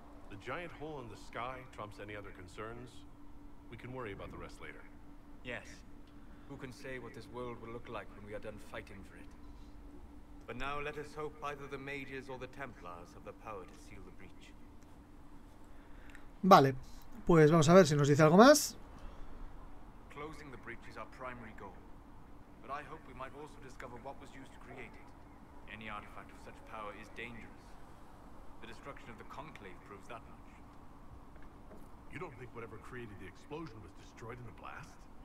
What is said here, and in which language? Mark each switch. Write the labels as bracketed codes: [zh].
[en] The giant hole in the sky trumps any other concerns. We can worry about the rest later. Yes. Who can say what this world will look like when we are done fighting for it? But now let us hope either the mages or the Templars have the power to seal the breach. [es] Vale, pues vamos a ver si nos dice algo más. [en] Closing the breach is our primary goal, but I hope we might also discover what was used to create it. Any artifact of such power is dangerous. The destruction of the conclave proves that much. You don't think whatever created the explosion was destroyed in the blast?